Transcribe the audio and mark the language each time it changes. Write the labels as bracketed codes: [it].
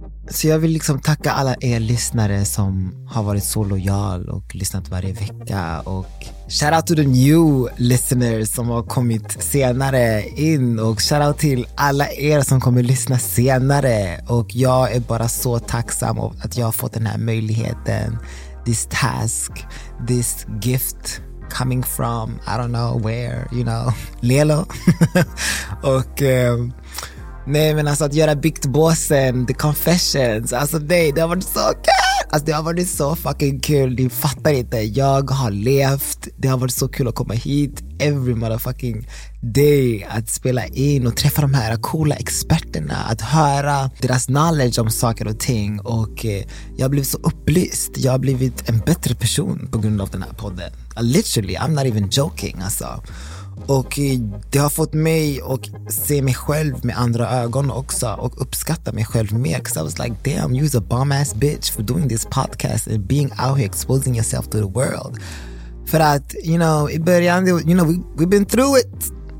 [sv] Så jag vill liksom tacka alla er lyssnare som har varit så lojal och lyssnat varje vecka. Och [en] shout out to the new listeners [sv] som har kommit senare in. Och shout out till alla er som kommer lyssna senare. Och jag är bara så tacksam av att jag har fått den här möjligheten. [en] This task, this gift coming from, I don't know where, you know, Lelo. [sv] Och... Nej men alltså att göra Biktbåsen, The Confessions, alltså nej, det har varit så kul. Alltså det har varit så fucking kul, ni fattar inte. Jag har levt, det har varit så kul att komma hit [en] every motherfucking day, [sv] att spela in och träffa de här coola experterna, att höra deras knowledge om saker och ting. Och jag har blivit så upplyst, jag har blivit en bättre person på grund av den här podden. [en] Literally, I'm not even joking [sv] alltså. Och det har fått mig att se mig själv med andra ögon också och uppskatta mig själv mer. [en] Because I was like, damn, you's a bomb ass bitch for doing this podcast and being out here exposing yourself to the world. [sv] För att, [en] you know, [sv] i början, you know, [en] we've been through it.